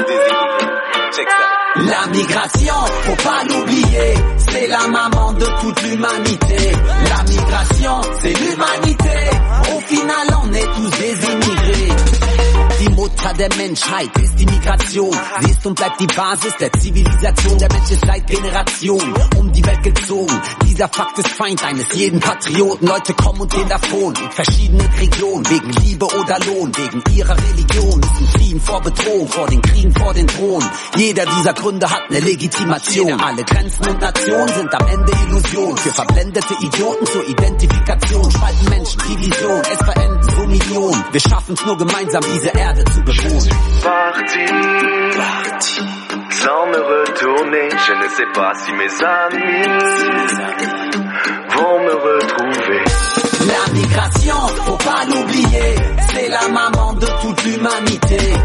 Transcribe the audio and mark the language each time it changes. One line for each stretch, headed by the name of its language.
French: La migration, faut pas l'oublier, c'est la maman de toute l'humanité. La migration, c'est l'humanité, au final on est tous des immigrés.
German: Die Mutter der Menschheit ist die Migration. Sie ist und bleibt die Basis der Zivilisation. Der Mensch ist seit Generationen um die Welt gezogen. Dieser Fakt ist Feind eines jeden Patrioten. Leute kommen und gehen davon in verschiedenen Regionen. Wegen Liebe oder Lohn, wegen ihrer Religion. Müssen fliehen vor Bedrohung, vor den Kriegen, vor den Drohnen. Jeder dieser Gründe hat eine Legitimation. Alle Grenzen und Nationen sind am Ende Illusion. Für verblendete Idioten zur Identifikation. Spalten Menschen, Division, es verenden so Millionen. Wir schaffen's nur gemeinsam, diese Erde zu bewohnen.
French: Je suis parti, parti, sans me retourner. Je ne sais pas si mes amis vont me retrouver. La migration, faut pas l'oublier, c'est la maman de toute l'humanité.